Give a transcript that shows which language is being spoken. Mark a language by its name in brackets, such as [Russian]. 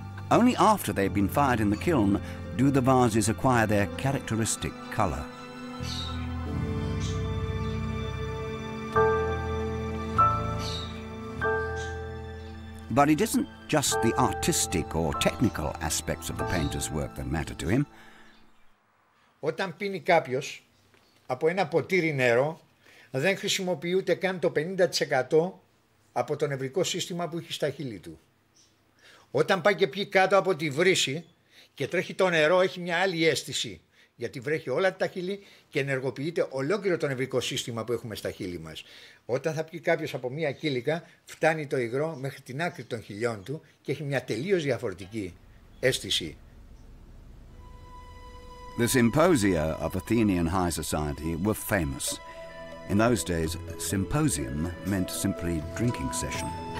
[English] Only after they've been fired in the kiln do the vases acquire their characteristic color. But it isn't just the artistic or technical aspects of the painter's work that matter to him. [Greek] Όταν πίνει κάποιος από ένα ποτήρι νερό, δεν χρησιμοποιεί ούτε καν το 50% από το νευρικό σύστημα που έχει στα χείλη του. Όταν πάει και πιει κάτω από τη βρύση και τρέχει το νερό, έχει μια άλλη αίσθηση, γιατί βρέχει όλα τα χείλη και ενεργοποιείται ολόκληρο το νευρικό σύστημα που έχουμε στα χείλη μας. Όταν θα πιει κάποιος από μία κύλικα, φτάνει το υγρό μέχρι την άκρη των χιλιών του και έχει μια τελείως διαφορετική αίσθηση. [English] The symposia of Athenian high society were famous. In those days, symposium meant simply drinking session.